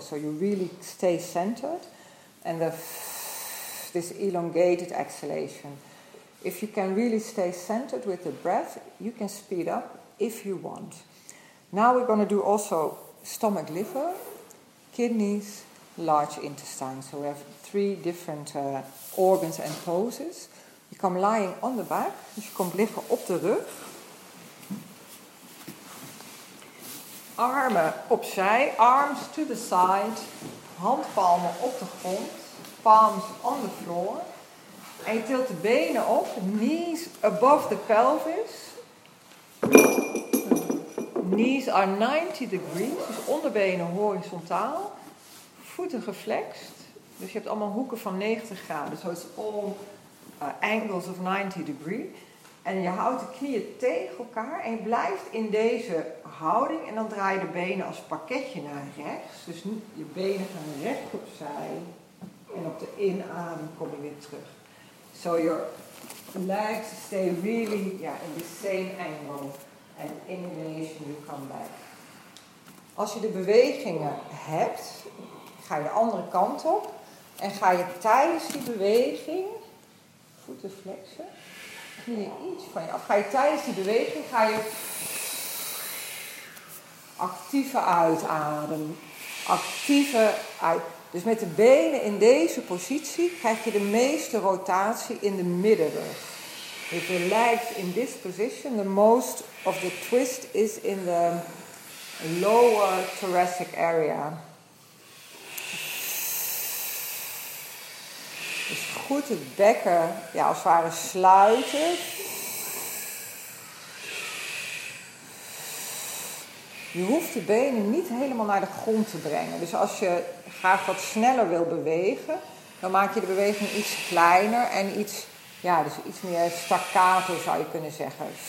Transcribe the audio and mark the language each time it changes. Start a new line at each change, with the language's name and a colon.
English: So you really stay centered and this elongated exhalation. If you can really stay centered with the breath, you can speed up if you want. Now we're going to do also stomach, liver, kidneys, large intestine. So we have three different organs and poses.
Dutch: Je komt
English: lying on the back,
Dutch: dus je komt liggen op de rug. Armen opzij,
English: arms to the side,
Dutch: handpalmen op de grond,
English: palms on the floor.
Dutch: En je tilt de benen op,
English: knees above the pelvis. Knees are 90 degrees,
Dutch: dus onderbenen horizontaal. Voeten geflexed. Dus je hebt allemaal hoeken van 90 graden.
English: So it's all angles of 90 degrees.
Dutch: En je houdt de knieën tegen elkaar. En je blijft in deze houding. En dan draai je de benen als pakketje naar rechts. Dus je benen gaan recht opzij. En op de inademing kom je weer terug.
English: So your legs stay really in the same angle. And inhalation you come back.
Dutch: Als je de bewegingen hebt, ga je de andere kant op en ga je tijdens die beweging, voeten flexen, knieën iets van je af. Ga je tijdens die beweging, ga je actieve uitademen, actieve uit. Dus met de benen in deze positie krijg je de meeste rotatie in de middenrug.
English: If the legs in this position, the most of the twist is in the lower thoracic area.
Dutch: Goed het bekken, als het ware sluiten. Je hoeft de benen niet helemaal naar de grond te brengen. Dus als je graag wat sneller wil bewegen, dan maak je de beweging iets kleiner en iets, dus iets meer staccato zou je kunnen zeggen.